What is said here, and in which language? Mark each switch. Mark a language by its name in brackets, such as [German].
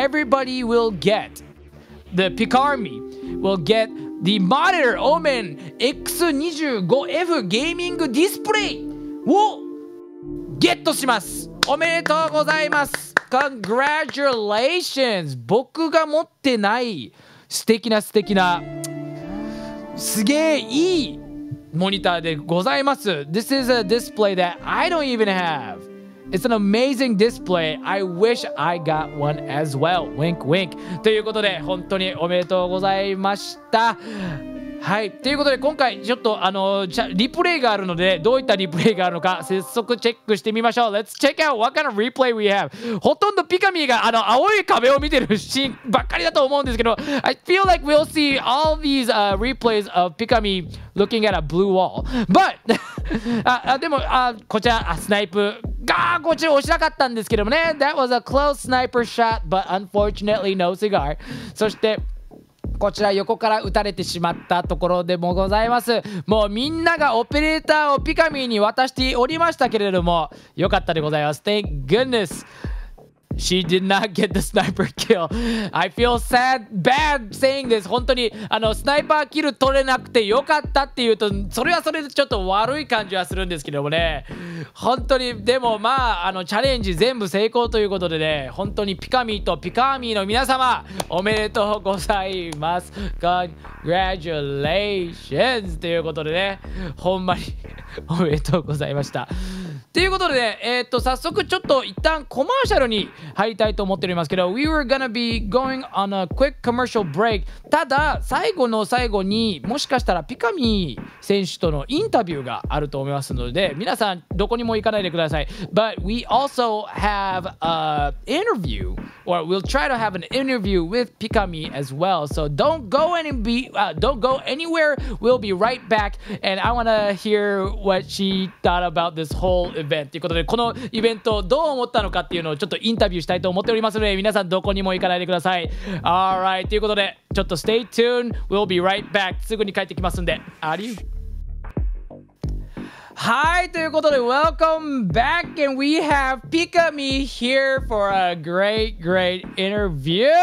[English] Everybody will get the Pikamee, will get the monitor Omen X25F gaming display [Japanese] をゲットします。おめでとうございます。 [English] Congratulations。 [Japanese] 僕が持ってない素敵な素敵なすげーいいモニターでございます。 [English] This is a display that I don't even haveIt's an amazing display. I wish I got one as well. Wink, wink. [Japanese] ということで、本当におめでとうございました。はい。ということで、今回ちょっとリプレイがあるので、どういったリプレイがあるのか、早速チェックしてみましょう。 [English] Let's check out what kind of replay we have. [Japanese] ほとんどピカミーが青い壁を見てるシーンばっかりだと思うんですけど、 [English] I feel like we'll see all these replays of Pikamee looking at a blue wall. [Japanese] But, こちら、スナイプ。ガー、こちら惜しなかったんですけどもね。 [English] That was a close sniper shot, but unfortunately no cigar. [Japanese] そして、こちら横から撃たれてしまったところでもございます。もうみんながオペレーターをピカミーに渡しておりましたけれども、よかったでございます。 [English] Thank goodness she did not get the sniper kill. I feel sad, bad saying this. [Japanese] 本当にスナイパーキル取れなくてよかったっていうと、それはそれでちょっと悪い感じはするんですけどもね。本当にでもまあチャレンジ全部成功ということでね、本当にピカミーとピカーミーの皆様おめでとうございます。 Congratulations ということでね、ほんまにおめでとうございましたということでね、早速ちょっと一旦コマーシャルに入りたいと思っておりますけど、 [English] We were gonna be going on a quick commercial break. [Japanese] ただ最後の最後にもしかしたらピカミー選手とのインタビューがあると思いますので、皆さんどこにも行かないでください。 [English] But we also have an interview, or we'll try to have an interview with Pikamee as well. So don't go anywhere. We'll be right back. And I wanna hear what she thought about this whole event. [Japanese] ということで、このイベントをどう思ったのかっていうのをちょっとインタビューしたいと思っておりますので、皆さんどこにも行かないでください。 [English] Alright, [Japanese] ということでちょっと [English] stay tuned. We'll be right back. [Japanese] すぐに帰ってきますんで、アリュー。はい、ということで [English] welcome back, and we have Pikamee here for a great, great interview.